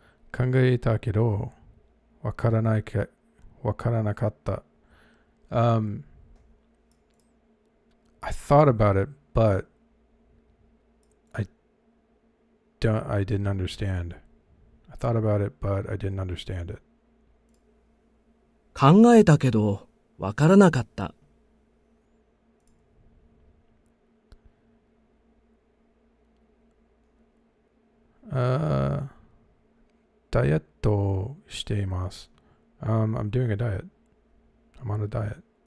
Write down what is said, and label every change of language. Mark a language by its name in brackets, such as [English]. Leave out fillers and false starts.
[Japanese] 考えたけど、わからないか、わからなかった。 [English] I thought about it, but I didn't understand. I thought about it, but I didn't understand it. [Japanese] 考えたけど、わからなかった。ダイエットしています。 [English] I'm doing a diet. I'm on a diet.